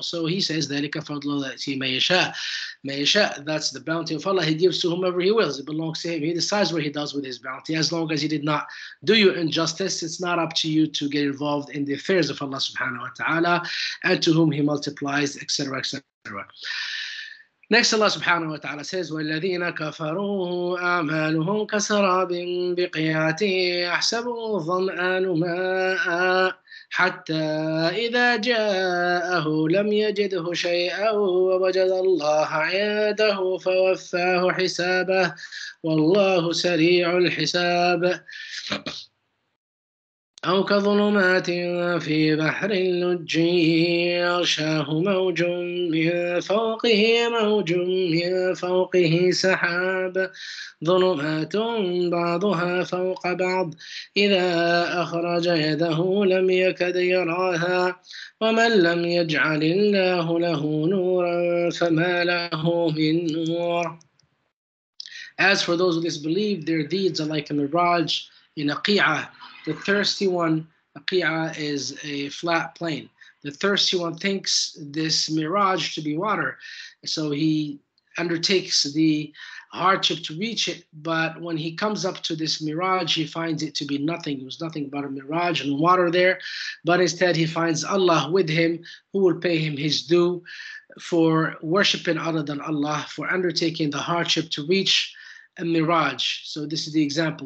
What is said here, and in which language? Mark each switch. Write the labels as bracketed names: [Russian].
[English] So He says, [Arabic] ذَلِكَ فَضْلُ اللَّهِ مَا يَشَاءُ [English] مَا يَشَاءُ That's the bounty of Allah. He gives to whomever He wills. It belongs to Him. He decides what He does with His bounty. As long as He did not do you injustice, it's not up to you to get involved in the affairs of Allah subhanahu wa ta'ala and to whom He multiplies, etc., etc. Next, Allah subhanahu wa ta'ala says, [Arabic] وَالَّذِينَ كَفَرُوا أَعْمَالُهُمْ كَسَرَابٍ بِقِيَاتٍ يَحْسَبُهُ الظَّمْآنُ مَاءً حَتَّى إِذَا جَاءَهُ لَمْ يَجِدْهُ شَيْئًا وَوَجَدَ اللَّهَ عِنْدَهُ فَوَفَّاهُ حِسَابَهُ وَاللَّهُ سَرِيعُ الْحِسَابِ أو كظلمات في بحر لج يغشاه موج من فوقه موج من فوقه سحاب ظلمات بعضها فوق بعض إذا أخرج يده لم يكد يراها ومن لم يجعل الله له نورا فما له من نور [English] As for those who disbelieve, their deeds are like a mirage in a qi'ah, the thirsty one. A qi'ah is a flat plain. The thirsty one thinks this mirage to be water, so he undertakes the hardship to reach it, but when he comes up to this mirage, he finds it to be nothing. It was nothing but a mirage and water there, but instead he finds Allah with him, who will pay him his due for worshiping other than Allah, for undertaking the hardship to reach a mirage. So this is the example.